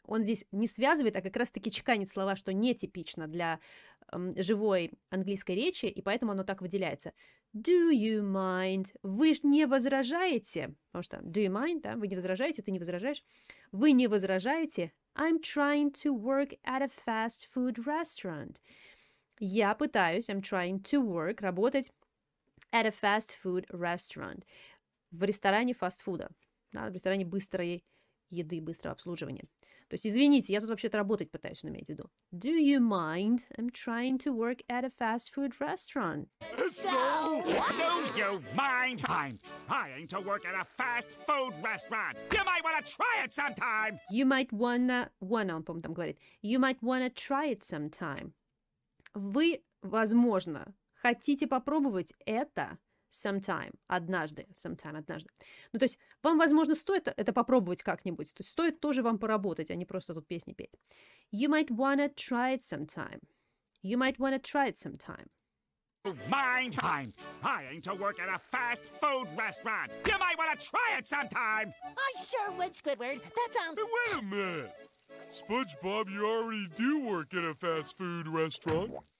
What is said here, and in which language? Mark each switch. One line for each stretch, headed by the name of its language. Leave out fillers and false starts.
Russian: Он здесь не связывает, а как раз-таки чеканит слова, что нетипично для живой английской речи, и поэтому оно так выделяется.
English: Do you mind?
Russian: Вы ж не возражаете? Потому что
English: do you mind,
Russian: да? Вы не возражаете, ты не возражаешь. Вы не возражаете?
English: I'm trying to work at a fast food restaurant.
Russian: Я пытаюсь,
English: I'm trying to work,
Russian: работать
English: at a fast food restaurant.
Russian: В ресторане фастфуда, да, в ресторане быстрой еды, быстрого обслуживания. То есть, извините, я тут вообще-то работать пытаюсь, но имейте в виду.
English: Do you mind? I'm trying to work at a fast food restaurant. Do you mind? I'm trying to work at a fast food restaurant. You might want to try it sometime. You might wanna... Wanna,
Russian: он, по-моему, там говорит.
English: You might wanna try it sometime.
Russian: Вы, возможно, хотите попробовать это...
English: Sometime, однажды, sometime, однажды.
Russian: Ну, то есть, вам, возможно, стоит это попробовать как-нибудь. То есть, стоит тоже вам поработать, а не просто тут песни петь.
English: You might wanna try it sometime. You might wanna try it sometime. Mind, I'm trying to work at a fast food restaurant. You might wanna try it sometime. I sure would, Squidward. That sounds... Wait a minute. SpongeBob, you already do work at a fast food restaurant.